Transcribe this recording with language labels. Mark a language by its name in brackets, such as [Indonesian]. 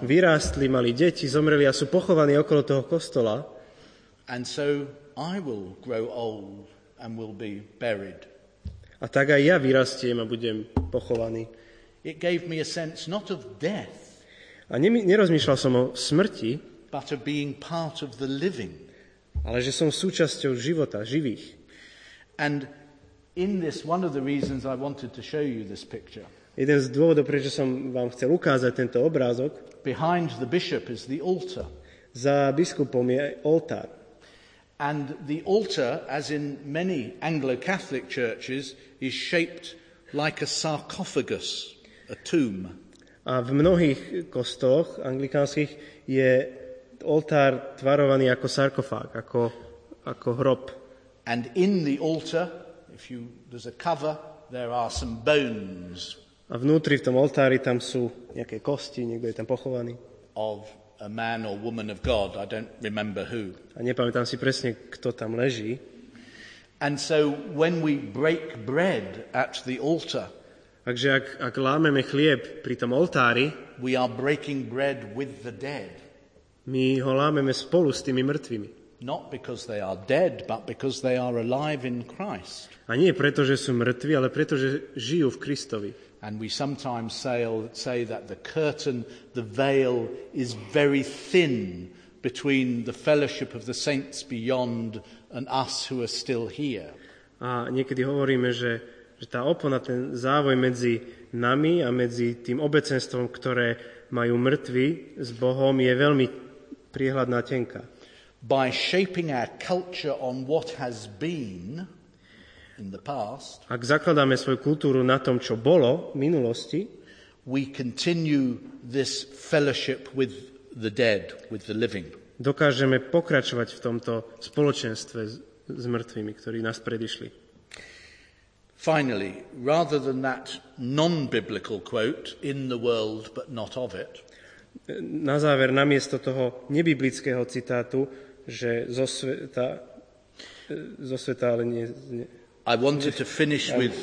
[Slovak] Vyrástli, mali deti, zomreli a sú pochovaní okolo toho kostola. [English] And so I will grow old and will be buried. [Slovak] A tak aj ja vyrastiem a budem pochovaný. [English] It gave me a sense not of death. [Slovak] A nerozmýšľal som o smrti, [English] but of being part of the living. [Slovak] Ale že som súčasťou života živých. [English] And in this one of the reasons I wanted to show you this picture. [Slovak] Jeden z dôvodov, prečo som vám chcel ukázať tento obrázok. [English] Behind the bishop is the altar. [Slovak] Za biskupom je oltár. [English] And the altar, as in many Anglo-Catholic churches, is shaped like a sarcophagus. A tomb. [Slovak] A v mnohých kostoloch anglikánskych je oltár tvarovaný ako sarkofág, ako hrob. [English] And in the altar, if you there's a cover, there are some bones. [Slovak] A vnútri v tom oltári tam sú nejaké kosti, niekto je tam pochovaný. [English] Of a man or woman of God, I don't remember who. [Slovak] A nepamätám si presne, kto tam leží. [English] And so when we break bread at the altar, [Slovak] takže ak lámeme chlieb pri tom oltári, [English] we are breaking bread with the dead. [Slovak] My ho lámeme spolu s tými mŕtvymi. [English] Not because they are dead, but because they are alive in Christ. [Slovak] A nie preto, že sú mŕtvi, ale preto, že žijú v Kristovi. [English] And we sometimes say that the curtain, the veil is very thin between the fellowship of the saints beyond and us who are still here. [Slovak] A niekedy hovoríme, že tá opona, ten závoj medzi nami a medzi tým obecenstvom, ktoré majú mŕtvi s Bohom, je veľmi priehľadná, tenká. [English] By shaping our culture on what has been in the past, [Slovak] ak zakladáme svoju kultúru na tom, čo bolo v minulosti, [English] we continue this fellowship with the dead, with the living. [Slovak] Dokážeme pokračovať v tomto spoločenstve s mŕtvými, ktorí nás predišli. [English] Finally, rather than that non-biblical quote, in the world, but not of it. [Slovak] Na záver, namiesto toho nebiblického citátu, že zo sveta, ale nie... [English] I wanted to finish with...